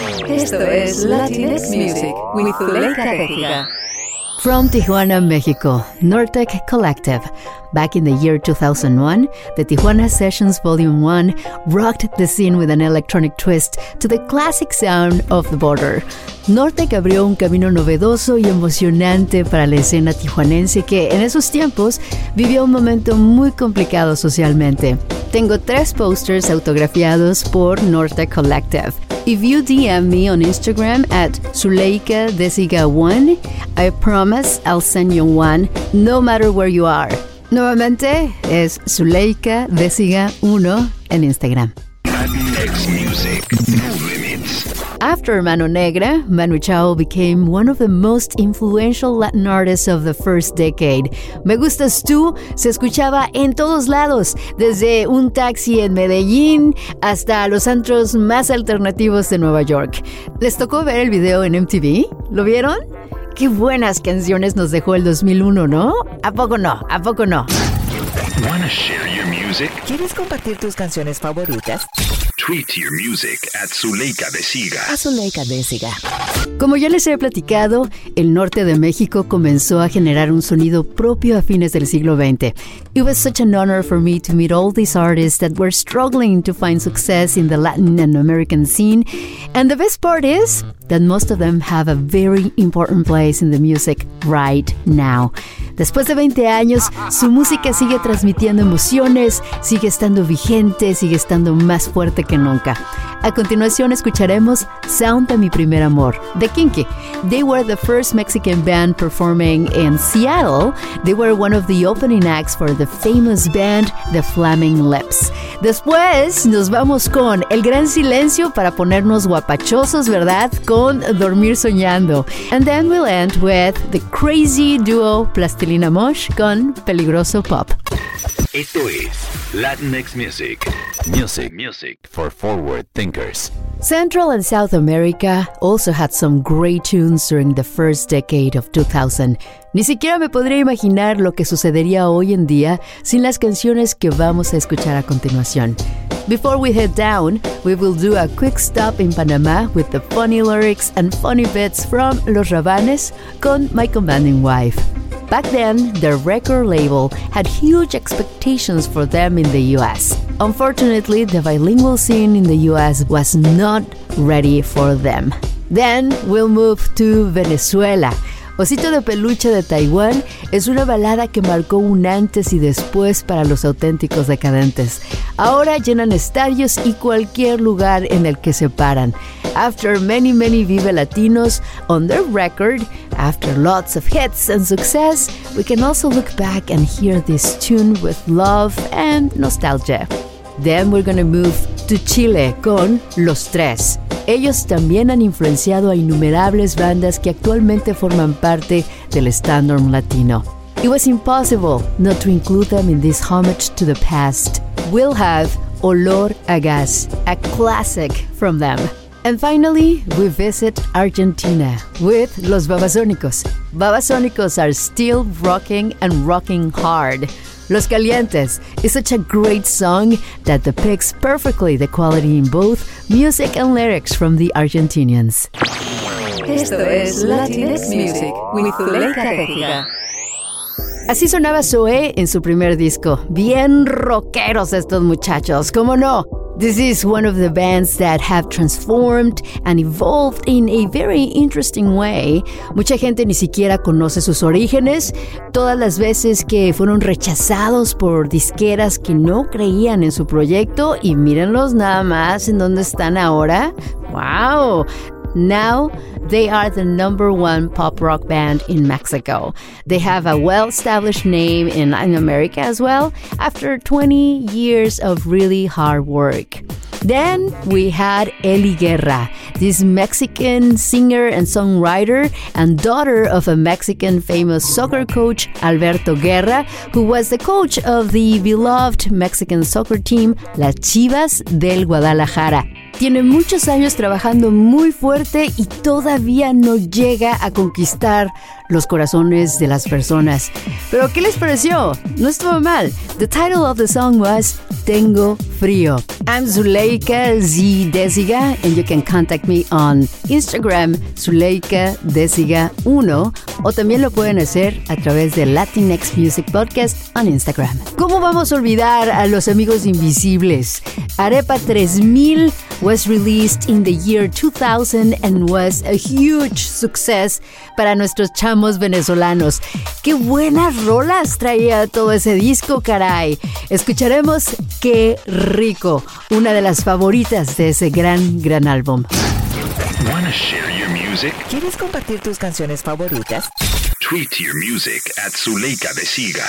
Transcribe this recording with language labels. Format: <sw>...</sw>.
<es>Esto es Latinx Music with Zuleika Vega.</es> <en>From Tijuana, Mexico, Nortec Collective. Back in the year 2001, the Tijuana Sessions Volume 1 rocked the scene with an electronic twist to the classic sound of the border.</en> <es>Nortec abrió un camino novedoso y emocionante para la escena tijuanense que, en esos tiempos, vivió un momento muy complicado socialmente. Tengo tres posters autografiados por Nortec Collective.</es> <en>If you DM me on Instagram at ZuleikaDeSiga1, I promise I'll send you one, no matter where you are.</en> <es>Nuevamente, es ZuleikaDeSiga1 en Instagram.</es> <en>After Mano Negra, Manu Chao became one of the most influential Latin artists of the first decade.</en> <es>Me Gustas Tú se escuchaba en todos lados, desde un taxi en Medellín hasta los antros más alternativos de Nueva York. ¿Les tocó ver el video en MTV? ¿Lo vieron? ¡Qué buenas canciones nos dejó el 2001, ¿no? ¿A poco no? ¿A poco no?</es> <en>Wanna share your music?</en> <es>¿Quieres compartir tus canciones favoritas?</es> <en>Tweet your music at Zuleika de Siga.</en> <es>A Zuleika de Siga. Como ya les he platicado, el norte de México comenzó a generar un sonido propio a fines del siglo XX.</es> <en>It was such an honor for me to meet all these artists that were struggling to find success in the Latin and American scene. And the best part is that most of them have a very important place in the music right now.</en> <es>Después de 20 años, su música sigue transmitiendo emociones, sigue estando vigente, sigue estando más fuerte que nunca. A continuación escucharemos Sound de Mi Primer Amor, The Kinky.</es> <en>They were the first Mexican band performing in Seattle. They were one of the opening acts for the famous band The Flaming Lips.</en> <es>Después nos vamos con El Gran Silencio para ponernos guapachosos, ¿verdad?</es> <en>Con Dormir Soñando. And then we'll end with the crazy duo Plastilina Mosh con Peligroso Pop.</en> <es>Esto es</es> <en>Latinx Music. Music for forward thinkers. Central and South America also had some great tunes during the first decade of 2000.</en> <es>Ni siquiera me podría imaginar lo que sucedería hoy en día sin las canciones que vamos a escuchar a continuación.</es> <en>Before we head down, we will do a quick stop in Panama with the funny lyrics and funny bits from Los Rabanes con My Commanding Wife. Back then, their record label had huge expectations for them in the US. Unfortunately, the bilingual scene in the US was not ready for them. Then, we'll move to Venezuela.</en> <es>Osito de Peluche de Taiwán es una balada que marcó un antes y después para los auténticos decadentes. Ahora llenan estadios y cualquier lugar en el que se paran.</es> <en>After many, many Vive Latinos on their record, after lots of hits and success, we can also look back and hear this tune with love and nostalgia. Then we're gonna move to Chile con Los Tres.</en> <es>Ellos también han influenciado a innumerables bandas que actualmente forman parte del standard latino.</es> <en>It was impossible not to include them in this homage to the past. We'll have Olor a Gas, a classic from them. And finally, we visit Argentina with Los Babasónicos. Babasónicos are still rocking and rocking hard. Los Calientes is such a great song that depicts perfectly the quality in both music and lyrics from the Argentinians.</en> <es>Esto es Latinx Music with Zuleika Tejida. Así sonaba Zoé en su primer disco. Bien rockeros estos muchachos, ¿cómo no? This is one of the bands that have transformed and evolved in a very interesting way. Mucha gente ni siquiera conoce sus orígenes. Todas las veces que fueron rechazados por disqueras que no creían en su proyecto. Y mírenlos nada más en dónde están ahora. ¡Wow!</es> <en>Now, they are the number one pop rock band in Mexico. They have a well-established name in Latin America as well, after 20 years of really hard work. Then we had Eli Guerra, this Mexican singer and songwriter and daughter of a Mexican famous soccer coach, Alberto Guerra, who was the coach of the beloved Mexican soccer team, Las Chivas del Guadalajara.</en> <es>Tiene muchos años trabajando muy fuerte y todavía no llega a conquistar los corazones de las personas. ¿Pero qué les pareció? No estuvo mal.</es> <en>The title of the song was Tengo Frío. I'm Zuleika Z. Desiga, and you can contact me on Instagram, Zuleika Desiga 1,</en> <es>o también lo pueden hacer a través de</es> <en>Latinx Music Podcast on Instagram.</en> <es>¿Cómo vamos a olvidar a los amigos invisibles?</es> <en>Arepa 3000 was released in the year 2000 and was a huge success</en> <es>para nuestros chamos venezolanos. ¡Qué buenas rolas traía todo ese disco, caray! Escucharemos Qué Rico, una de las favoritas de ese gran, gran álbum.</es> <en>Wanna share your music?</en> <es>¿Quieres compartir tus canciones favoritas?</es> <en>Tweet your music at Zuleika Desiga.</en>